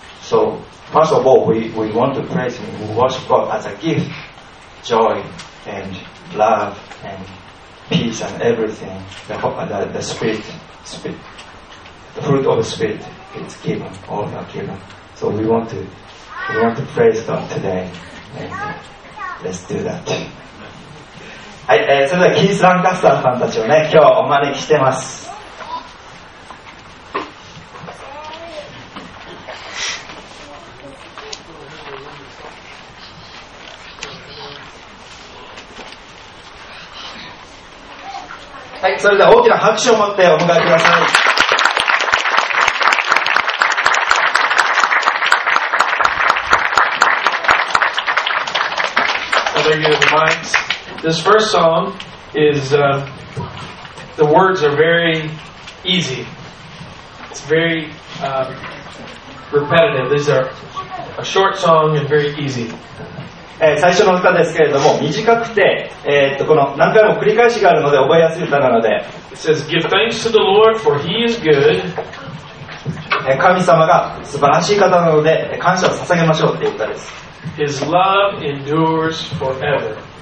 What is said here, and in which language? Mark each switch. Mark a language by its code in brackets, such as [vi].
[en] So, first of all, we want to praise Him, we worship God as a gift, joy and love and peace and everything. The Spirit, the fruit of the Spirit is given, all are given. So we want to praise God today, and let's do that. [ja] はい、それではキース・ランカスターさんたちをね、今日お招きしてます。はい、それでは大きな拍手を持ってお迎えください。 [en] I'll bring you to the mics. This first song is, the words are very easy. It's very, repetitive. These are a short song and very easy. [ja] 最初の歌ですけれども、短くて、この何回も繰り返しがあるので覚えやすい歌なので、 [en] It says, Give thanks to the Lord, for He is good. [ja] 神様が素晴らしい方なので、感謝を捧げましょうという歌です。 [en] His love endures forever.